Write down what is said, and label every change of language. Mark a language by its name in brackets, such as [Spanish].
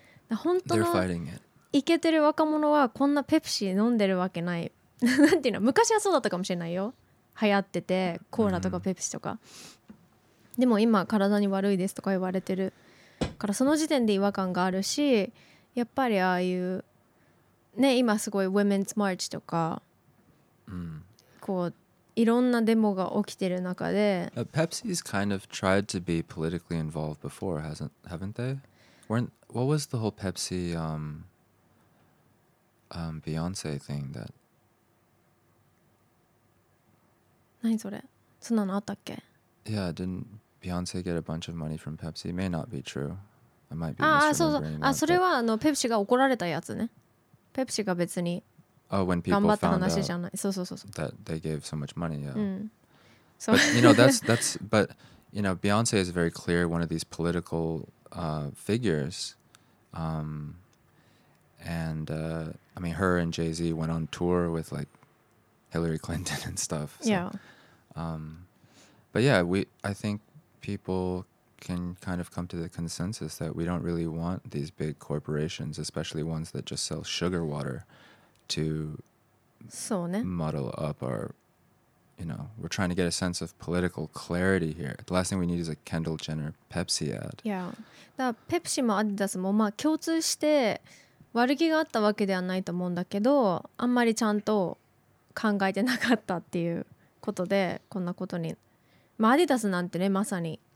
[Japanese] 本当のイケてる若者はこんなペプシ飲んでるわけないなんていうの、昔はそうだったかもしれないよ、流行っててコーラとかペプシとか、でも今体に悪いですとか言われてるから、その時点で違和感があるし、やっぱりああいうね、今すごいウィメンズマーチとか、こういろんなデモが起きてる中で、 [English] Pepsi's kind of tried to be politically involved before, haven't they? What was the whole Pepsi Beyonce thing that? [Japanese] 何それ？そんなのあったっけ [English] ？Yeah, didn't Beyonce get a bunch of money from Pepsi? May not be true. I might be misremembering. [Japanese] そうそう。 [English] That, [Japanese] あ、それはあの Pepsi が怒られたやつね。Pepsi が別に。 [English] Oh, when people found out that they gave so much money, yeah. So but, you know, that's, but, you know, Beyonce is very clear one of these political figures. I mean, her and Jay-Z went on tour with, like, Hillary Clinton and stuff. So, yeah. But, yeah, I think people can kind of come to the consensus that we don't really want these big corporations, especially ones that just sell sugar water. To [Japanese] そうね、 [English] muddle up our, you know, we're trying to get a sense of political clarity here. The last thing we need is a Kendall Jenner Pepsi ad. Yeah. [Japanese] だからペプシもアディダスもまあ共通して悪気があったわけではないと思うんだけど、あんまりちゃんと考えてなかったっていうことでこんなことに。まあアディダスなんてね、まさに。